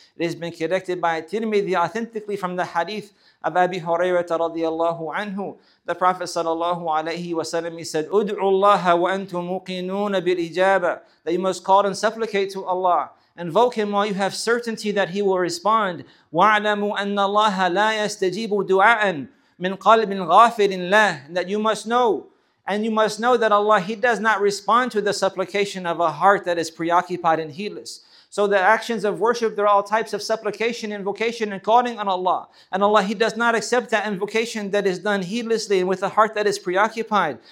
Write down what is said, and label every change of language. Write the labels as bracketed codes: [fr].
[en] It has been collected by Tirmidhi authentically from the hadith of Abi Hurairah radiallahu anhu. The Prophet sallallahu alayhi wa sallam, he said, [ar] "Ud'u Allah wa antum muqinuna bil ijaba," [en] that you must call and supplicate to Allah. Invoke Him while you have certainty that He will respond. [ar] وَعْلَمُوا أَنَّ اللَّهَ لَا يَسْتَجِيبُ دُعَاءً مِنْ قَلْبٍ غَافِرٍ لَهُ, [en] that you must know. And you must know that Allah, He does not respond to the supplication of a heart that is preoccupied and heedless. So the actions of worship, they're all types of supplication, invocation, and calling on Allah. And Allah, He does not accept that invocation that is done heedlessly and with a heart that is preoccupied.